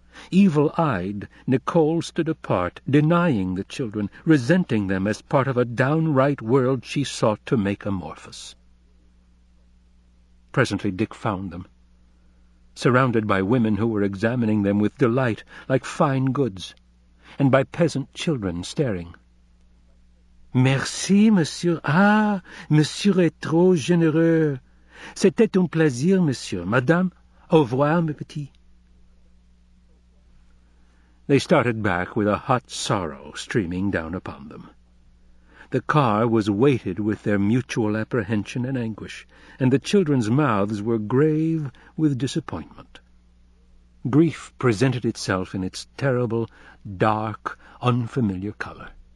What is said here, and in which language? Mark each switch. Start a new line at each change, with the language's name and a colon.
English: Evil-eyed, Nicole stood apart, denying the children, resenting them as part of a downright world she sought to make amorphous. Presently Dick found them, surrounded by women who were examining them with delight like fine goods, and by peasant children staring.
French: Merci, monsieur. Ah, monsieur est trop généreux. C'était un plaisir, monsieur. Madame, au revoir, mes petits.
English: They started back with a hot sorrow streaming down upon them. The car was weighted with their mutual apprehension and anguish, and the children's mouths were grave with disappointment. Grief presented itself in its terrible, dark, unfamiliar color.